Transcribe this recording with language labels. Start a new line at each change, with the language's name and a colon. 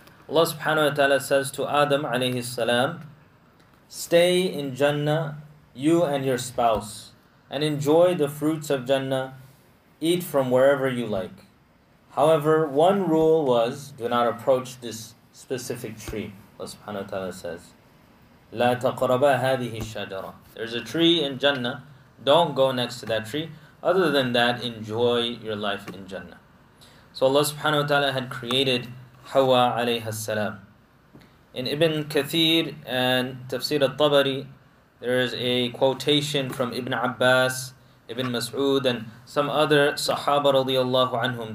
English: Allah subhanahu wa ta'ala says to Adam alayhi salam, stay in Jannah, you and your spouse, and enjoy the fruits of Jannah, eat from wherever you like. However, one rule was, do not approach this specific tree. Allah subhanahu wa ta'ala says,
Arabic: لا تقربا هذه الشجرة.
English: There's a tree in Jannah, don't go next to that tree. Other than that, enjoy your life in Jannah. So Allah subhanahu wa ta'ala had created Hawa alayha salam. In Ibn Kathir and Tafsir al-Tabari, there is a quotation from Ibn Abbas, Ibn Mas'ud, and some other Sahaba radiallahu anhum.